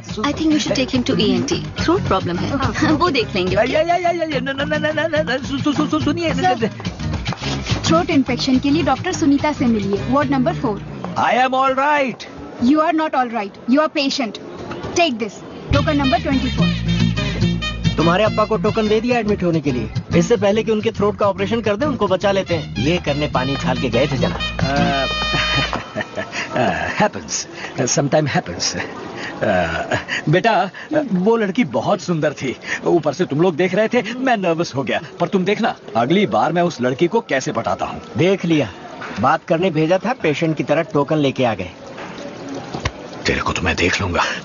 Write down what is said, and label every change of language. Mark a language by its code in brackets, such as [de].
[en] I think you should take him to ENT. Throat problem [hi] है। वो देख लेंगे। सुनिए sir, throat infection के लिए डॉक्टर सुनीता से मिलिए, ward number 4। [en] I am all right. You are not all right. You are patient. Take this. Token number 24. [hi] तुम्हारे अप्पा को टोकन दे दिया एडमिट होने के लिए, इससे पहले कि उनके थ्रोट का ऑपरेशन कर दे, उनको बचा लेते हैं। ये करने पानी छाल के गए थे जना। [en] happens, sometime happens. [hi] बेटा, वो लड़की बहुत सुंदर थी, ऊपर से तुम लोग देख रहे थे, मैं नर्वस हो गया। पर तुम देखना, अगली बार मैं उस लड़की को कैसे पटाता हूँ। देख लिया, बात करने भेजा था, पेशेंट की तरह टोकन लेके आ गए। तेरे को तो मैं देख लूंगा।